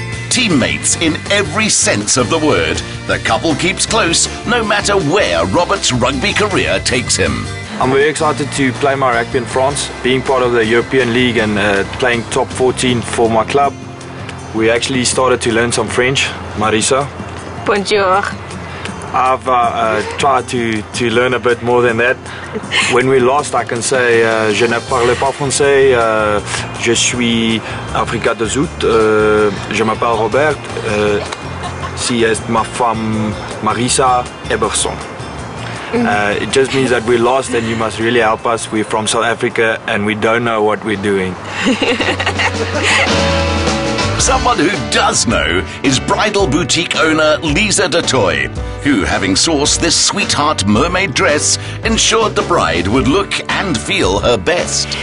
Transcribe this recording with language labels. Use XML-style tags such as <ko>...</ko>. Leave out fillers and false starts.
<en>Teammates in every sense of the word, the couple keeps close no matter where Robert's rugby career takes him. I'm very excited to play my rugby in France. Being part of the European League and playing top 14 for my club, we actually started to learn some French. Mariza.</en> <fr>Bonjour.</fr> <en>I've tried to learn a bit more than that. When we lost, I can say,</en> <fr>je ne parle pas français, je suis Africa de Zout, je m'appelle Robert, si est ma femme Mariza Ebersohn.</fr> <en>It just means that we lost and you must really help us. We're from South Africa and we don't know what we're doing. Someone who does know is bridal boutique owner Lisa de Toy, who, having sourced this sweetheart mermaid dress, ensured the bride would look and feel her best.</en>